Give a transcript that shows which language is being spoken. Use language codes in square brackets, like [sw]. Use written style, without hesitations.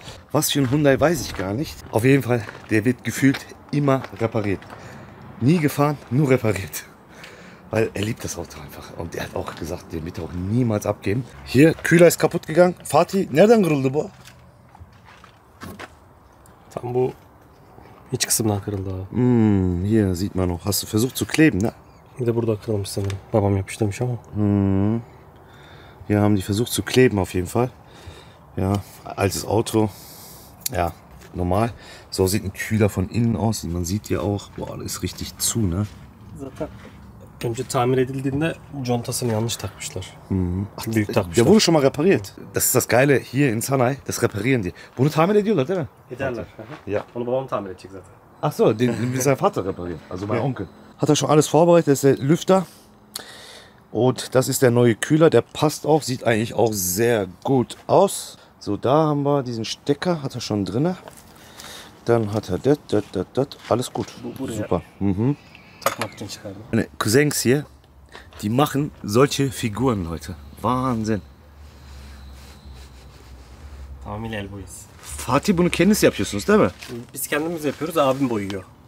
[de] Was für ein Hyundai, weiß ich gar nicht, auf jeden Fall, der wird gefühlt immer repariert, nie gefahren, nur repariert, weil er liebt das Auto einfach und er hat auch gesagt, den wird er auch niemals abgeben. Hier, Kühler ist kaputt gegangen, Fatih, [tr] nereden kırıldı bu? Tam bu iç kısımdan kırıldı abi. [de] Hier sieht man noch. Hast du versucht zu kleben, ne? [tr] Bir de burada kırılmış sanırım. Babam yapmış demiş ama. [de] Hier haben die versucht zu kleben auf jeden Fall. Ja, altes Auto. Ja, normal. So sieht ein Kühler von innen aus. Man sieht ja auch, boah, das ist richtig zu, ne? [tr] Zaten önce tamir edildiğinde contasını yanlış takmışlar. Ach, büyük takmışlar. [de] Der wurde schon mal repariert. Das ist das Geile hier in Sanay. Das reparieren die. [tr] Bunu tamir ediyorlar, değil mi? Ederler. [de] Ja. [tr] Onu babam tamir edecek zaten. [de] Ach so, den sein Vater repariert, also mein Onkel. Hat er schon alles vorbereitet, das ist der Lüfter. Und das ist der neue Kühler, der passt auch, sieht eigentlich auch sehr gut aus. So, da haben wir diesen Stecker, hat er schon drin. Dann hat er das, alles gut. Super. Meine Cousins hier, die machen solche Figuren, Leute. Wahnsinn. Familie Elbuiz. [tr] Fatih, bunu kendisi yapıyorsunuz değil mi? Biz kendimiz yapıyoruz, abim boyuyor.